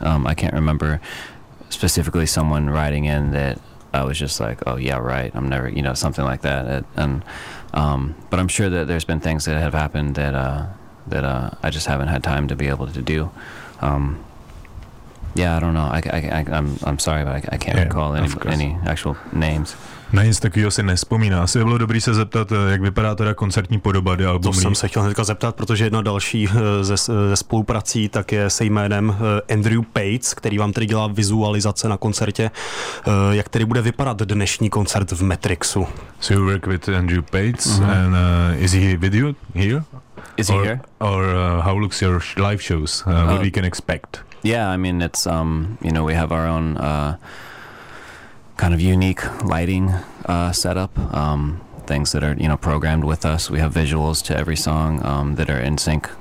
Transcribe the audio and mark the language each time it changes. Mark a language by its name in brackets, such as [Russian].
[English] I can't remember specifically someone writing in that I was just like, oh yeah, right, I'm never, you know, something like that. But I'm sure that there's been things that have happened that I just haven't had time to be able to do. Yeah, I don't know. I'm sorry, but I can't recall any actual names. [Czech] Na nic takového si nespomíná. Asi bylo dobré se zeptat, jak vypadá teda koncertní podoba The Album Leaf. To jsem se chtěl hnedka zeptat, protože jedna další ze spoluprací tak je se jménem Andrew Pates, který vám tedy dělá vizualizace na koncertě. Jak tedy bude vypadat dnešní koncert v Matrixu? [English] So you work with Andrew Pates, mm-hmm. And is he with you here? Is he here? Or how looks your live shows? What we can expect? Yeah, I mean, it's, you know, we have our own kind of unique lighting setup, things that are, you know, programmed with us. We have visuals to every song that are in sync